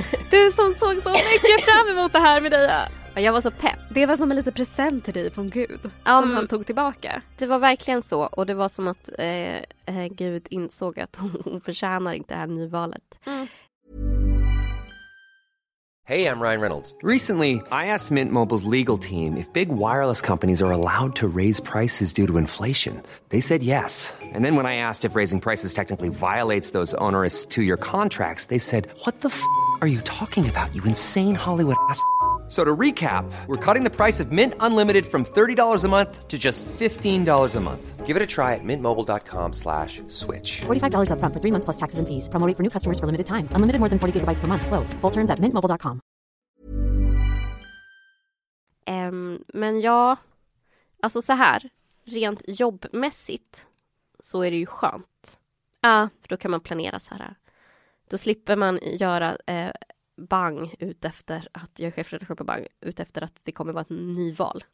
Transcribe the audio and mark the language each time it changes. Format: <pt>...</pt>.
<sv>Du som såg så mycket fram emot det här, Mireia. Ja, jag var så pepp. Det var som en liten present till dig från Gud som han tog tillbaka. Det var verkligen så. Och det var som att Gud insåg att hon förtjänar inte det här nyvalet.</sv> <en>Hey, I'm Ryan Reynolds. Recently, I asked Mint Mobile's legal team if big wireless companies are allowed to raise prices due to inflation. They said yes. And then when I asked if raising prices technically violates those onerous two-year contracts, they said, what the f*** are you talking about, you insane Hollywood ass f***? So to recap, we're cutting the price of Mint Unlimited from $30 a month to just $15 a month. Give it a try at mintmobile.com/switch. $45 up front for 3 months plus taxes and fees. Promo rate for new customers for limited time. Unlimited more than 40 gigabytes per month. Slows full terms at mintmobile.com.</en> <sv>Men ja, alltså så här, rent jobbmässigt så är det ju skönt. Ja. För då kan man planera så här. Då slipper man göra... Bang ut efter att jag är chefredaktör på Bang ut efter att det kommer vara ett nyval.</sv>